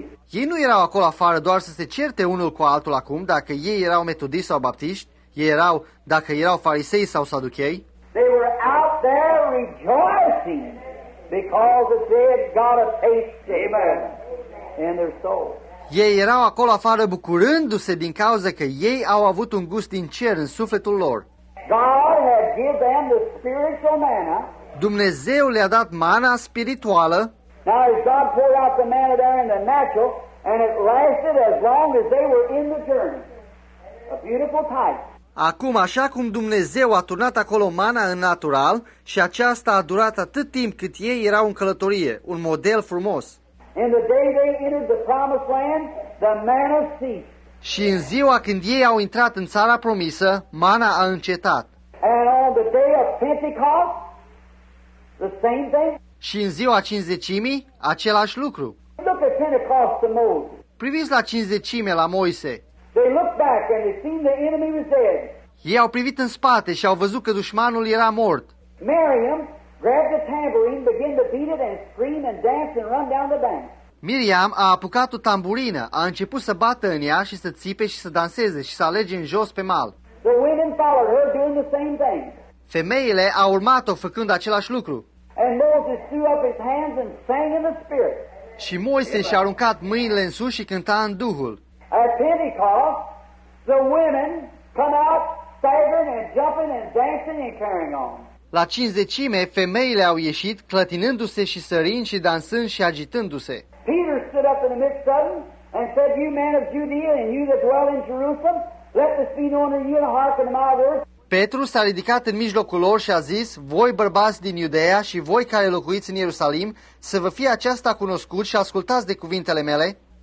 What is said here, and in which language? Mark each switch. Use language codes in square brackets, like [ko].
[ro] Ei nu erau acolo afară doar să se certe unul cu altul acum, dacă ei erau metodiști sau baptiști, ei erau, dacă erau farisei sau saduchei. [en] They were out there rejoicing because they had got a taste. Amen. And their soul. [ro] Ei erau acolo afară bucurându-se din cauza că ei au avut un gust din cer în sufletul lor. [en] God had given them the spiritual manna. [ro] Dumnezeu le-a dat mana spirituală. [en] Now as God poured out the manna there in the natural, and it lasted as long as they were in the journey. A beautiful type. [ro] Acum, așa cum Dumnezeu a turnat acolo mana în natural și aceasta a durat atât timp cât ei erau în călătorie, un model frumos. [en] In the day they entered the promised land, the manna ceased. [ro] Și în ziua când ei au intrat în țara promisă, mana a încetat. [en] And on the day of Pentecost, the same thing. [ro] Și în ziua cincizecimii, același lucru. [en] Look at Pentecost to Moses. [ro] Priviți la cincizecime la Moise. [en] They looked back and they seen the enemy was dead. [ro] Ei au privit în spate și au văzut că dușmanul era mort. [en] Miriam grabbed a tambourine, began to beat it and scream and dance and run down the bank. [ro] Miriam a apucat o tamburină, a început să bată în ea și să țipe și să danseze și să alerge în jos pe mal. [en] The women followed her doing the same thing. [ro] Femeile au urmat-o făcând același lucru. [en] And Moses threw up his hands and sang in the spirit. [ro] Și Moise și-a aruncat mâinile în sus și cânta în Duhul. [en] At Pentecost, the women come out staggering and jumping and dancing and carrying on. [ro] La cincizecime, femeile au ieșit clătinându-se și sărind și dansând și agitându-se. [en] Peter stood up in the midst of them and said, "You men of Judea and you that dwell in Jerusalem, let this be known to you and hearken to my words." [ro] Petru s-a ridicat în mijlocul lor și a zis, voi bărbați din Iudeea și voi care locuiți în Ierusalim, să vă fie aceasta cunoscut și ascultați de cuvintele mele.